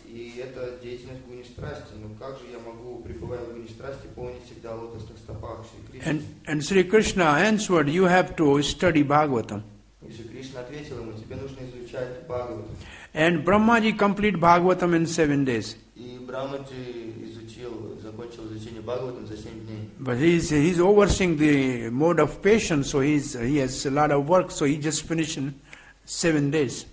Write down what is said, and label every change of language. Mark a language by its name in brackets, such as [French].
[Russian] И это деятельность гуни страсти. Но как же я могу, пребывая в гуни страсти, помнить всегда о лотосных стопах Шри Кришны? [English] And Sri Krishna answered, you have to study Bhagavatam. [Russian] И Шри Кришна ответил ему, тебе нужно изучать Бхагаватам. [English] And Brahmaji complete Bhagavatam in 7 days. [Russian] И Брахмаджи закончил изучение Бхагаватам за 7 дней. [English] But he's overseeing the mode of patience, so he has a lot of work, so he just finished in 7 days.